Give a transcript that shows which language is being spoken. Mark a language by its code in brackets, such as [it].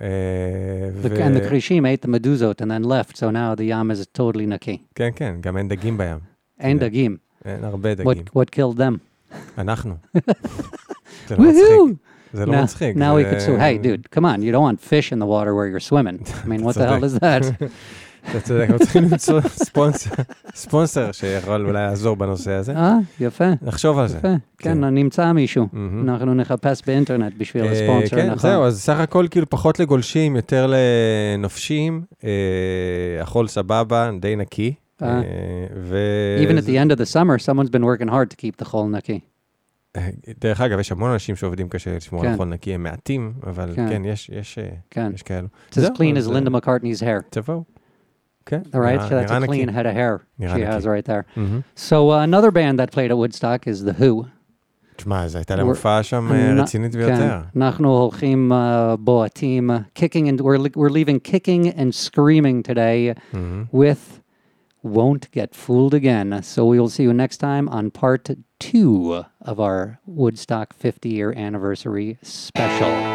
[en] And the [he] כרישים [en] ate the [he] מדוזות [en] and then left, so now the [he] ים [en] is totally [he] נקי. כן, כן, גם אין דגים בים. אין דגים. אין הרבה דגים. [en] What killed them? [he] אנחנו. זה לא מצחיק. זה לא מצחיק. [en] Now we could swim. Hey, dude, come on, you don't want fish in the water where you're swimming. I mean, what the hell is that? [he] אתה צודק, אנחנו צריכים למצוא ספונסר שיכול אולי לעזור בנושא הזה. יפה. נחשוב על זה. כן, אני אמצא מישהו. אנחנו נחפש באינטרנט בשביל הספונסר, נכון? זהו, אז סך הכל כאילו פחות לגולשים, יותר לנופשים, החול סבבה, די נקי. [en] Even at the end of the summer, someone's been working hard to keep the [he] חול נקי. דרך אגב, יש המון אנשים שעובדים קשה לשמור על החול נקי, הם מעטים, אבל כן, יש כאלו. [en] It's as clean as Linda McCartney's hair. [he] תבואו. [en] Okay. All right, so that's a clean head of hair she has right there. So another band that played at Woodstock is The Who. [he] תשמע, זה הייתה להם הופעה שם רצינית ביותר. אנחנו הולכים בועטים, [en] we're leaving kicking and screaming today with Won't Get Fooled Again. So we will see you next time on part two of our Woodstock 50-year anniversary special.